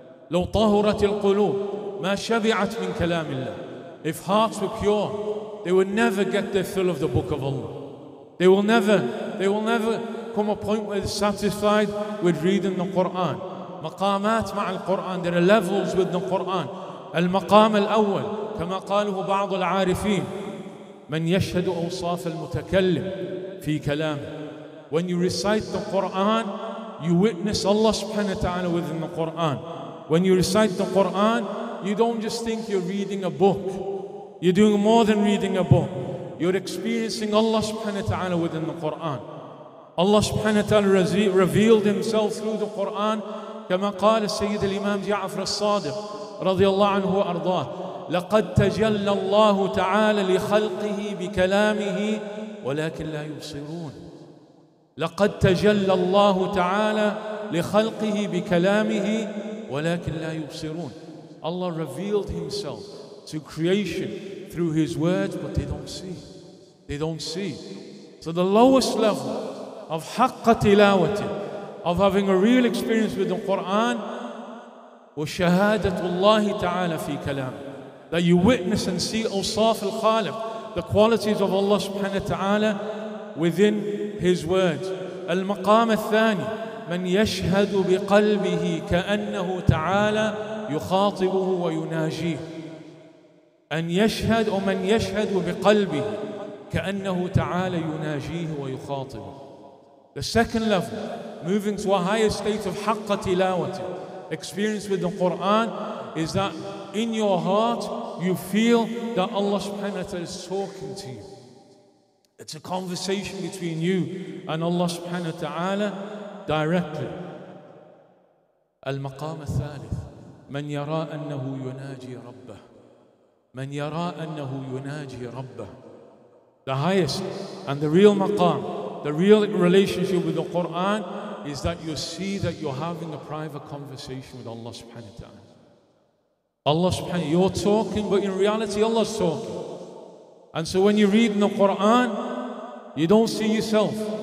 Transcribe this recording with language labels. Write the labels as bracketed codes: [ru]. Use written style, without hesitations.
[ar] لَوْ طَهُرَتِ الْقُلُوبِ مَا شَبِعَتْ مِنْ كَلَامِ اللَّهِ. [en] If hearts were pure, they would never get their fill of the Book of Allah. They will never come a point where they're satisfied with reading the Qur'an. [ar] مَقَامَاتْ مَعَ الْقُرْآنِ. [en] There are levels with the Qur'an. [ar] المقام الأول كما قاله بعض العارفين من يشهد أوصاف المتكلم في كلامه. [en] When you recite the Qur'an, you witness Allah subhanahu wa ta'ala within the Qur'an. When you recite the Qur'an, you don't just think you're reading a book. You're doing more than reading a book. You're experiencing Allah subhanahu wa ta'ala within the Qur'an. Allah subhanahu wa ta'ala revealed himself through the Qur'an [ar] كما قال السيد الإمام جعفر الصادق رضي الله عنه وأرضاه لقد تجلى الله تعالى لخلقه بكلامه ولكن لا يبصرون. لقد تجلى الله تعالى لخلقه بكلامه ولكن لا يبصرون. [en] Allah revealed himself to creation through his words, but they don't see. So the lowest level of [ar] حق تلاوته, [en] of having a real experience with the Quran, [ar] وشهادة الله تعالى في كلام. [en] That you witness and see [ar] أوصاف الخالق, [en] the qualities of Allah [ar] سبحانه وتعالى [en] within His words. [ar] المقام الثاني, من يشهد بقلبه كأنه تعالى يخاطبه ويناجيه. أن يشهد ومن يشهد بقلبه كأنه تعالى يناجيه ويخاطبه. [en] The second level, moving to a higher state of [ar] حق تلاوته, [en] experience with the Quran, is that in your heart you feel that Allah subhanahu wa ta'ala is talking to you. It's a conversation between you and Allah subhanahu wa ta'ala directly. [ar] المقام الثالث, من يرى أنه يناجي ربه. من يرى أنه يناجي ربه. [en] The highest and the real maqam, the real relationship with the Quran, is that you see that you're having a private conversation with Allah subhanahu wa ta'ala. Allah subhanahu wa ta'ala, you're talking, but in reality Allah's talking. And so when you read in the Quran, you don't see yourself.